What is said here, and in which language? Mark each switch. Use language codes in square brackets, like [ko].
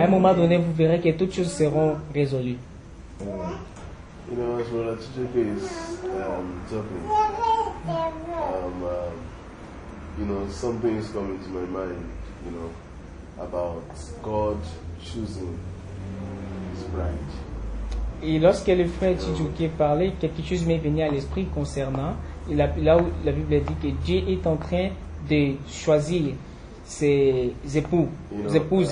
[fr] À un moment donné, vous verrez que toutes choses seront résolues. [en] You know, as well as TJK is talking, you know, something is coming to my mind, you know, about God choosing His bride. [fr] Et lorsque le frère TJK parlait, quelque chose m'est venu à l'esprit concernant, là où la Bible dit que Dieu est en train de choisir ses époux, ses épouses.